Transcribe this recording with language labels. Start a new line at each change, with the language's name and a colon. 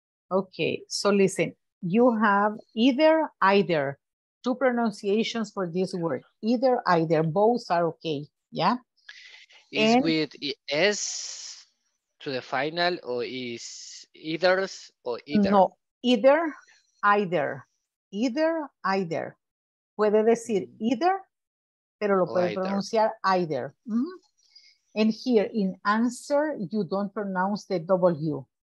English: Okay, so listen, you have either, two pronunciations for this word, either, both are okay, yeah? With S to the final, or is either's or either? No, either, either.
Spanish: Puede decir either, pero lo puede pronunciar either. Mm-hmm.
English: And here in answer, you don't pronounce the W.